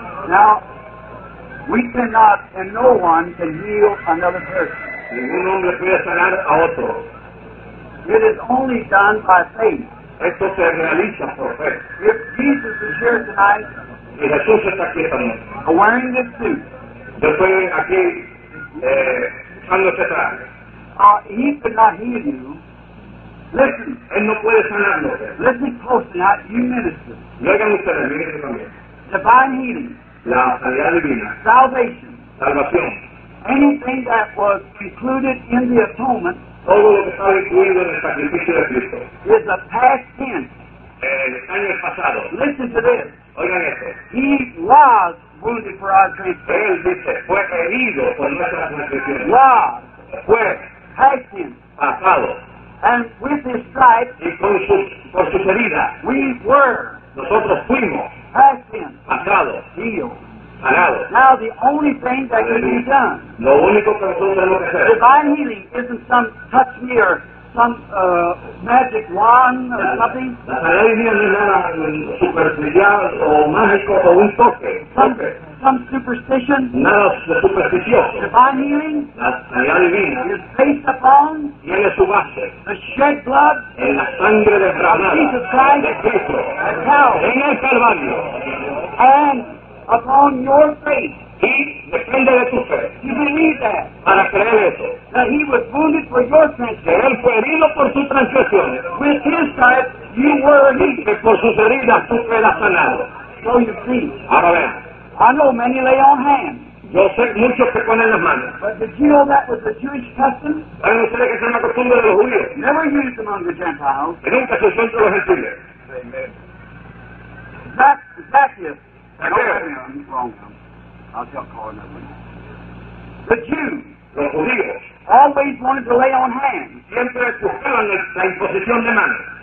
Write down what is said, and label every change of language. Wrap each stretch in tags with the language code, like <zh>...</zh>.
<en>Now, we cannot, and no one can heal another person.</en> <es>Ningún hombre puede sanar a otro.</es> <en>It is only done by faith.</en> <es>Esto se realiza por fe.</es> <en>If Jesus is here tonight,</en> <es>y Jesús está aquí también,</es> <en>wearing this suit,</en> <es>yo estoy aquí usando este traje,</es> <en>he could not heal you. Listen.</en> <es>Él no puede sanarlo.</es> <en>Listen closely, not you minister.</en> <es>Oigan ustedes, mi ministro también.</es> <en>Divine healing.</en> <es>La sanidad divina.</es> <en>Salvation.</en> <es>Salvación.</es> <en>Anything that was included in the atonement,</en> <es>todo lo que estaba incluido en el sacrificio de Cristo,</es> <en>is a past tense.</en> <es>Está en el pasado.</es> <en>Listen to this.</en> <es>Oigan esto.</es> <en>He was wounded for our transgressions.</en> <es>Él dice, fue herido por nuestras transgresiones.</es> <en>Was.</en> <es>Fue.</es> <en>Past tense.</en> <es>Pasado.</es> <en>And with his stripes,</en> <es>y con su, por sus heridas,</es> <en>we were.</en> <es>Nosotros fuimos.</es> <en>Past tense.</en> <es>Pasado.</es> <en>Healed.</en> <es>Parado.</es> <en>Now the only thing that can be done,</en> <es>lo único que nosotros tenemos que hacer,</es> <en>divine healing isn't some touch me or some magic wand or something.</en> <es>La sanidad divina no es nada superficial o mágico o un toque.</es> <en>Some superstition.</en> <es>Nada supersticioso.</es> <en>Divine healing.</en> <es>La sanidad divina</es> <en>is based upon.</en> <es>Tiene su base.</es> <en>The shed blood.</en> <es>En la sangre derramada.</es> <en>Jesus Christ.</en> <es>De Cristo.</es> <en>At hell.</en> <es>En el Calvario.</es> <en>And upon your faith.</en> <es>Y depende de tu fe.</es> <en>You believe that.</en> <es>Para creer eso.</es> <en>That he was wounded for your transgressions.</en> <es>Que él fue herido por sus transgresiones.</es> <en>With his stripes, you were healed.</en> <es>Que por sus heridas tú fueras sanado.</es> <en>So you see.</en> <es>Ahora vean.</es> <en>I know many lay on hands.</en> <es>Yo sé muchos que ponen las manos.</es> <en>But did you know that was the Jewish custom?</en> <es>¿Saben ustedes que es una costumbre de los judíos?</es> <en>Never used among the Gentiles.</en> <es>Y nunca se usó entre los gentiles.</es> <en>Amen. That is. Okay. I'll tell Carl another one. The Jews.</en> <es>los judíos,</es> <en>always wanted to lay on hands.</en> <es>Siempre buscaban la imposición de manos.</es>